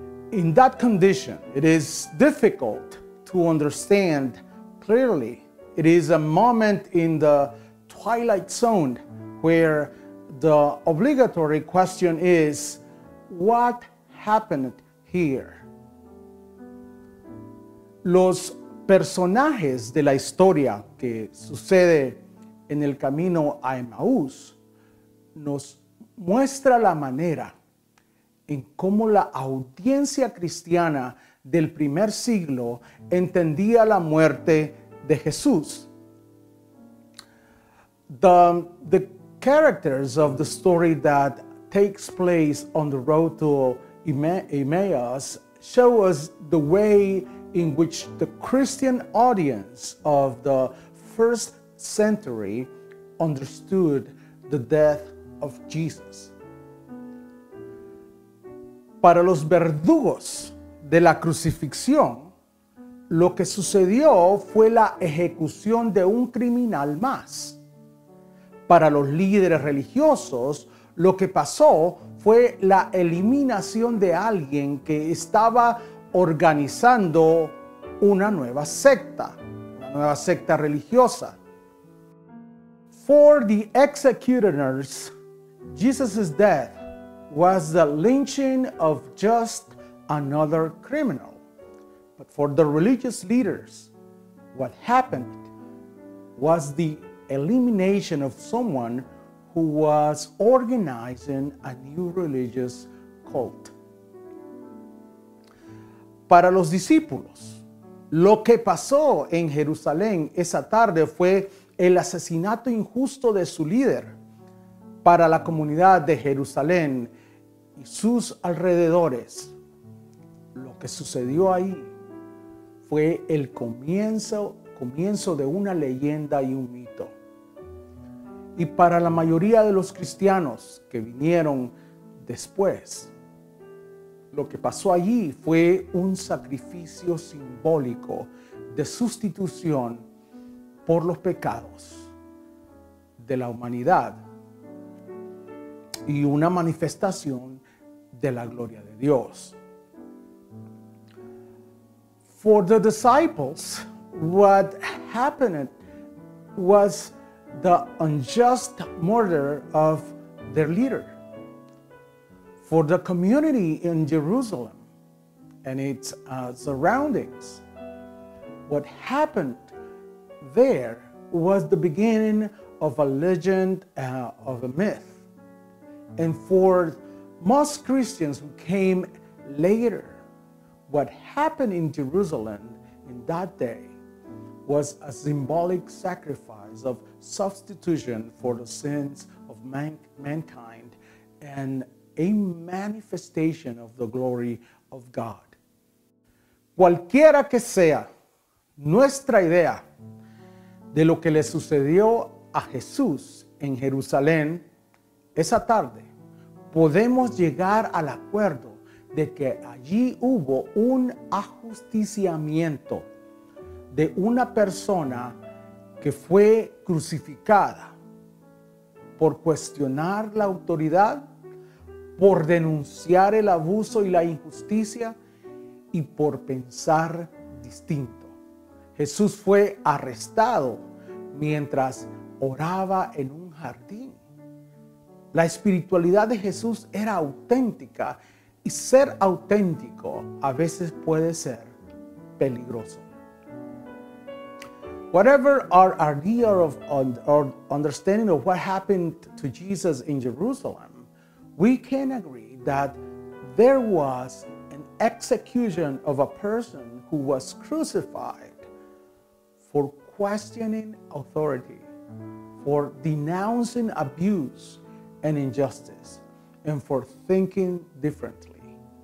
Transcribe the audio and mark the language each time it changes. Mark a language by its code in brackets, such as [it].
[en] In that condition, it is difficult to understand clearly. It is a moment in the twilight zone where the obligatory question is, what happened here? [es] Los personajes de la historia que sucede en el camino a Emaús nos muestra la manera en cómo la audiencia cristiana del primer siglo entendía la muerte de Jesús. [en] The characters of the story that takes place on the road to Emmaus show us the way in which the Christian audience of the first century understood the death of Jesus. [es] Para los verdugos de la crucifixión, lo que sucedió fue la ejecución de un criminal más. Para los líderes religiosos, lo que pasó fue la eliminación de alguien que estaba organizando una nueva secta religiosa. [en] For the executioners, Jesus' death was the lynching of just another criminal. But for the religious leaders, what happened was the elimination of someone who was organizing a new religious cult. [es] Para los discípulos, lo que pasó en Jerusalén esa tarde fue el asesinato injusto de su líder. Para la comunidad de Jerusalén y sus alrededores, lo que sucedió ahí fue el comienzo comienzo de una leyenda y un mito. Y para la mayoría de los cristianos que vinieron después, lo que pasó allí fue un sacrificio simbólico de sustitución por los pecados de la humanidad y una manifestación de la gloria de Dios. [en] For the disciples, what happened was the unjust murder of their leader. For the community in Jerusalem and its surroundings, what happened there was the beginning of a legend, of a myth. And for most Christians who came later, what happened in Jerusalem in that day was a symbolic sacrifice of substitution for the sins of mankind and a manifestation of the glory of God. [es] Cualquiera que sea nuestra idea de lo que le sucedió a Jesús en Jerusalén esa tarde, podemos llegar al acuerdo de que allí hubo un ajusticiamiento de una persona que fue crucificada por cuestionar la autoridad, por denunciar el abuso y la injusticia y por pensar distinto. Jesús fue arrestado mientras oraba en un jardín. La espiritualidad de Jesús era auténtica y ser auténtico a veces puede ser peligroso. [en] Whatever our idea of our understanding of what happened to Jesus in Jerusalem, we can agree that there was an execution of a person who was crucified for questioning authority, for denouncing abuse and injustice, and for thinking differently.